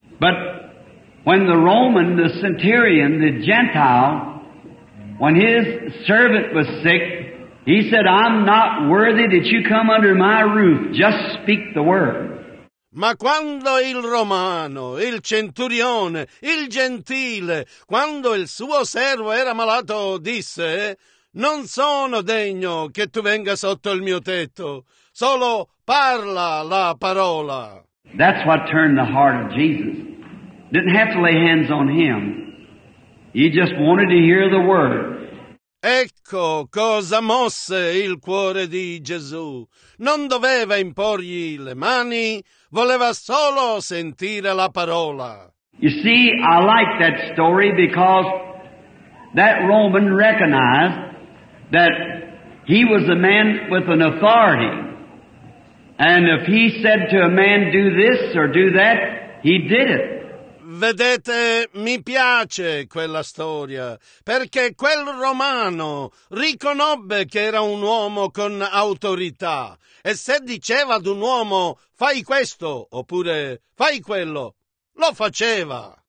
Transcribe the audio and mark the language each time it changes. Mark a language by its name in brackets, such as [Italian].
[English] But when the Roman, the centurion, the Gentile, when his servant was sick, he said, I'm not worthy that you come under my roof. Just speak the word. [Italian] Ma quando il romano, il centurione, il gentile, quando il suo servo era malato, disse: «Non sono degno che tu venga sotto il mio tetto, solo parla la parola». [English] That's what turned the heart of Jesus. Didn't have to lay hands on him. He just wanted to hear the word. [Italian] Ecco cosa mosse il cuore di Gesù. Non doveva imporgli le mani, voleva solo sentire la parola. [English] You see, I like that story because that Roman recognized that he was a man with an authority. And if he said to a man, do this or do that, he did it. [Italian] Vedete, mi piace quella storia, perché quel romano riconobbe che era un uomo con autorità, e se diceva ad un uomo, fai questo, oppure fai quello, lo faceva.